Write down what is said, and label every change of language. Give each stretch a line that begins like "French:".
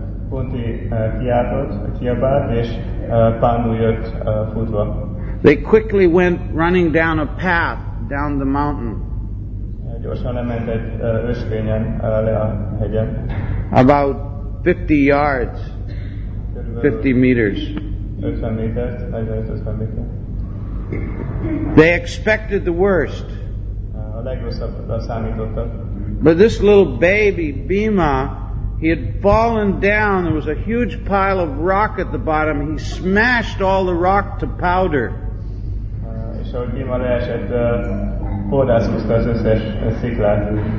Hungarian: Kunti kiabált, és Pandu jött futva.
English: They quickly went running down a path down the mountain.
Hungarian: Gyorsan lement egy ösvényen le a hegyen.
English: About 50 yards. 50 meters.
Hungarian: 50 métert, 40-50 métert.
English: They expected the worst.
Hungarian: A legrosszabbra számítottak.
English: But this little baby, Bhima, he had fallen down. There was a huge pile of rock at the bottom. He smashed all the rock to powder.
Hungarian: És ahogy Bhima leesett, hódászkozta az összes sziklát.